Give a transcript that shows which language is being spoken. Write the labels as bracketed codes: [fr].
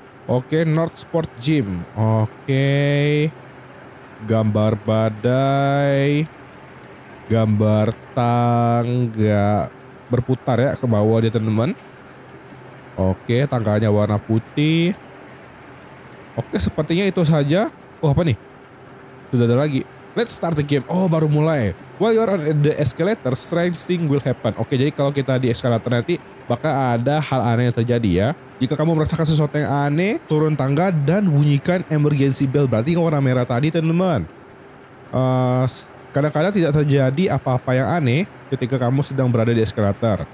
[id] Oke, North Sport Gym. Oke, gambar badai. Gambar tangga berputar ya ke bawah dia teman-teman. Oke, tangganya warna putih. Oke, sepertinya itu saja. Oh, apa nih? Sudah ada lagi. [en] Let's start the game. [id] Oh, baru mulai. [en] While you're on the escalator, strange thing will happen. [id] Oke, jadi kalau kita di escalator nanti bakal ada hal aneh yang terjadi ya. Jika kamu merasakan sesuatu yang aneh, turun tangga dan bunyikan emergency bell. Berarti warna merah tadi teman-teman. Kadang-kadang tidak terjadi apa-apa yang aneh ketika kamu sedang berada di eskalator.